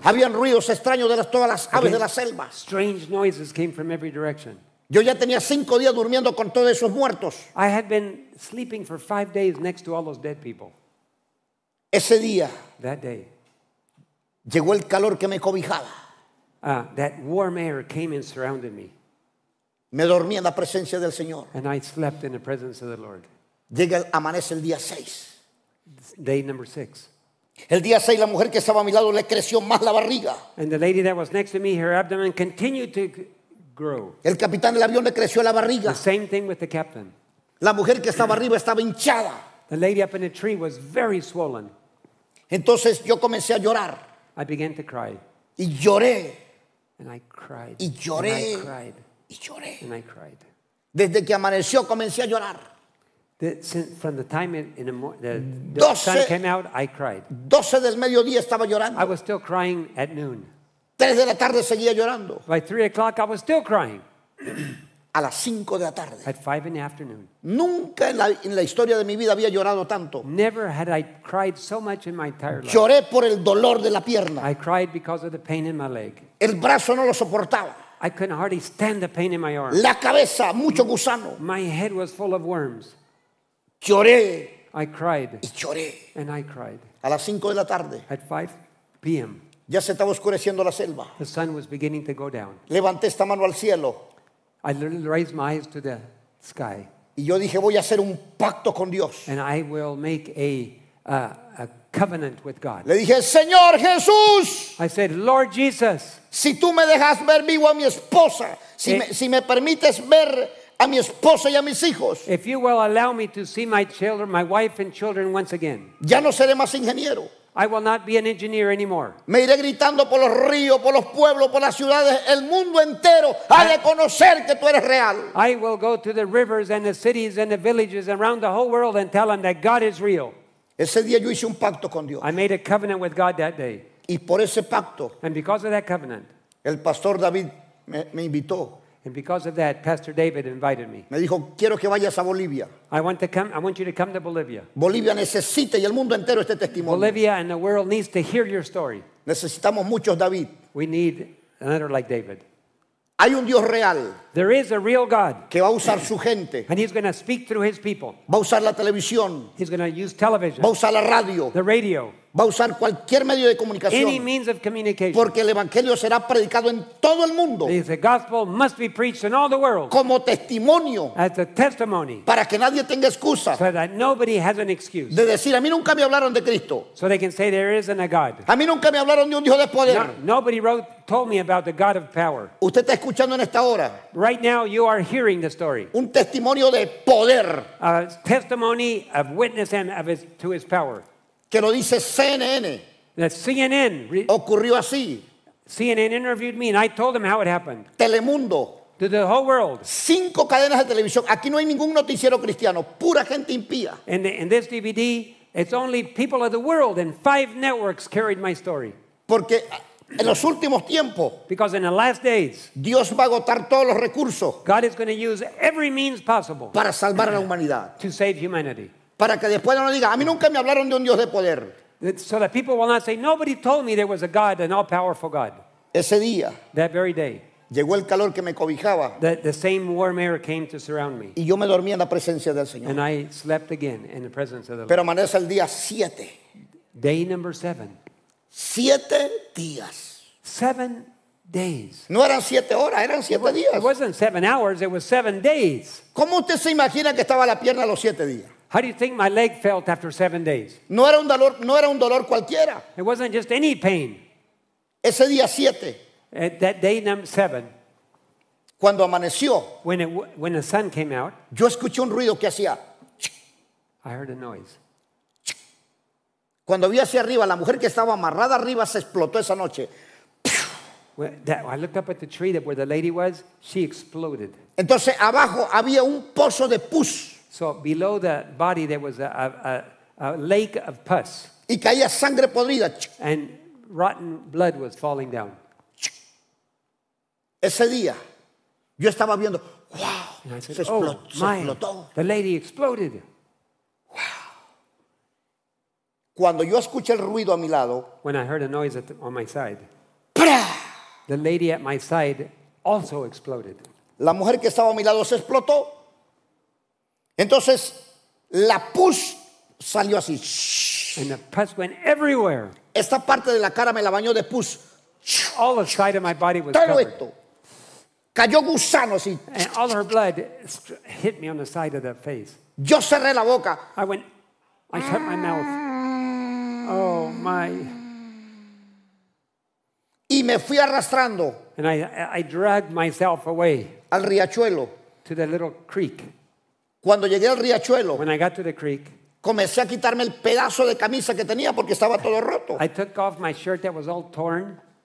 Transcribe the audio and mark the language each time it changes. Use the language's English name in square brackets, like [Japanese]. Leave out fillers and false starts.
[Spanish] Habían ruidos extraños de todas las aves de la selva. [English] Strange noises came from every direction. [Spanish] Yo ya tenía 5 días durmiendo con todos esos muertos. [English] I had been sleeping for 5 days next to all those dead people. [Spanish] Ese día, [English] that day, [Spanish] llegó el calor que me cobijaba. [English] That warm air came and surrounded me. [Spanish] Me dormí en la presencia del Señor. [English] And I slept in the presence of the Lord. [Spanish] Llega el amanece el día 6. [English] Day number 6. [Spanish] El día 6 la mujer que estaba a mi lado le creció más la barriga. [English] And the lady that was next to me, her abdomen continued to grow. [Spanish] El capitán del avión le creció la barriga. [English] The same thing with the captain. [Spanish] La mujer que estaba arriba estaba hinchada. [English] The lady up in the tree was very swollen. [Spanish] Entonces yo comencé a llorar. [English] I began to cry. [Spanish] Y lloré. [English] And I cried. [Spanish] Y lloré. [English] And I cried. [Spanish] Y lloré. [English] And I cried. [Spanish] Desde que amaneció comencé a llorar. [English] From the time the sun came out, I cried. [Spanish] 12 del mediodía estaba llorando. [English] I was still crying at noon. [Spanish] 3 de la tarde seguía llorando. [English] By 3 o'clock I was still crying. [Spanish] A las 5 de la tarde. [English] At 5 in the afternoon. [Spanish] Nunca en la historia de mi vida había llorado tanto. [English] Never had I cried so much in my entire life. [Spanish] Lloré por el dolor de la pierna. [English] I cried because of the pain in my leg. [Spanish] El brazo no lo soportaba. [English] I couldn't hardly stand the pain in my arm. [Spanish] La cabeza, mucho gusano. [English] My head was full of worms. [Spanish] Lloré. [English] I cried. [Spanish] Y lloré. [English] And I cried. [Spanish] A las 5 de la tarde. [English] At 5 p.m. [Spanish] Ya se estaba oscureciendo la selva. [English] The sun was beginning to go down. [Spanish] Levanté esta mano al cielo. [English] I literally raised my eyes to the sky. [Spanish] Y yo dije, voy a hacer un pacto con Dios. [English] And I will make a covenant with God. [Spanish] Le dije, Señor Jesús. [English] I said, Lord Jesus. [Spanish] Si tú me dejas ver vivo a mi esposa, si me permites ver a mi esposa y a mis hijos. [English] If you will allow me to see my children, my wife and children once again. [Spanish] Ya no seré más ingeniero. [English] I will not be an engineer anymore. [Spanish] Me iré gritando por los ríos, por los pueblos, por las ciudades, el mundo entero ha de conocer que tú eres real. [English] I will go to the rivers and the cities and the villages around the whole world and tell them that God is real. [Spanish] Ese día yo hice un pacto con Dios. [English] I made a covenant with God that day. [Spanish] Y por ese pacto, [English] and because of that covenant, [Spanish] el pastor David me invitó. [English] And because of that, Pastor David invited me. [Spanish] Me dijo, quiero que vayas a Bolivia. [English] I want you to come to Bolivia. [Spanish] Bolivia necesita y el mundo entero este testimonio. [English] Bolivia and the world needs to hear your story. [Spanish] Necesitamos muchos David. [English] We need another like David. [Spanish] Hay un Dios real. [English] There is a real God. [Spanish] Que va a usar su gente. [English] And he's going to speak through his people. [Spanish] Va a usar la televisión. [English] He's going to use television. [Spanish] Va a usar la radio. [English] The radio. [Spanish] Va a usar cualquier medio de comunicación. [English] Any means of communication. [Spanish] Porque el evangelio será predicado en todo el mundo. [English] The gospel must be preached in all the world. [Spanish] Como testimonio. [English] As a testimony. [Spanish] Para que nadie tenga excusa. [English] So that nobody has an excuse. [Spanish] De decir, a mí nunca me hablaron de Cristo. [English] So they can say there isn't a God. [Spanish] A mí nunca me hablaron de un Dios de poder. [English] No, nobody told me about the God of power. [Spanish] Usted está escuchando en esta hora. [English] Right now you are hearing the story. [Spanish] Un testimonio de poder. [English] A testimony of witness and of his, to his power. [Spanish] Que lo dice CNN. [English] That CNN [Spanish] ocurrió así. [English] CNN interviewed me and I told them how it happened. [Spanish] Telemundo. [English] To the whole world. [Spanish] 5 cadenas de televisión. Aquí no hay ningún noticiero cristiano. Pura gente impía. [English] In this DVD, it's only people of the world and 5 networks carried my story. [Spanish] Porque en los últimos tiempos, [English] because in the last days, [Spanish] Dios va a agotar todos los recursos. [English] God is going to use every means possible. [Spanish] Para salvar a la humanidad. [English] To save humanity. [Spanish] Para que después no diga, a mí nunca me hablaron de un Dios de poder. [English] So that people will not say, nobody told me there was a God, an all-powerful God. [Spanish] Ese día. [English] That very day. [Spanish] Llegó el calor que me cobijaba. [English] The same warm air came to surround me. [Spanish] Y yo me dormí en la presencia del Señor. [English] And I slept again in the presence of the Lord. [Spanish] Pero amanece el día 7. [English] Day number 7. [Spanish] 7 días. [English] 7 days. [Spanish] No eran 7 horas, eran 7 días. [English] It wasn't 7 hours, it was 7 days. [Spanish] ¿Cómo usted se imagina que estaba la pierna los 7 días? [English] How do you think my leg felt after 7 days? [Spanish] No era un dolor, no era un dolor cualquiera. [English] It wasn't just any pain. [Spanish] Ese día 7. [English] That day number 7. [Spanish] Cuando amaneció. [English] When the sun came out. [Spanish] Yo escuché un ruido que hacía. [English] I heard a noise. [Spanish] Cuando vi hacia arriba, la mujer que estaba amarrada arriba se explotó esa noche. [English] I looked up at the tree that where the lady was, she exploded. [Spanish] Entonces abajo había un pozo de pus. [English] So below the body there was a lake of pus. [Spanish] Y caía sangre podrida. [English] And rotten blood was falling down. [Spanish] Ese día yo estaba viendo, wow, se explotó. [English] The lady exploded. [Spanish] Cuando yo escuché el ruido a mi lado, [English] when I heard a noise on my side, ¡prah! The lady at my side also exploded. [Spanish] La mujer que estaba a mi lado se explotó. Entonces la pus salió así. [English] And the pus went everywhere. [Spanish] Esta parte de la cara me la bañó de pus. [English] All the side of my body was covered. [Spanish] Esto. Cayó gusano así. [English] And all her blood hit me on the side of the face. [Spanish] Yo cerré la boca. [English] I shut my mouth. Oh my. [Spanish] Y me fui arrastrando. [English] And I dragged myself away. [Spanish] Al riachuelo. [English] To the little creek. [Spanish] Cuando llegué al riachuelo. [English] When I got to the creek. [Spanish] Comencé a quitarme el pedazo de camisa que tenía porque estaba todo roto. [English] I took off my shirt that was all torn.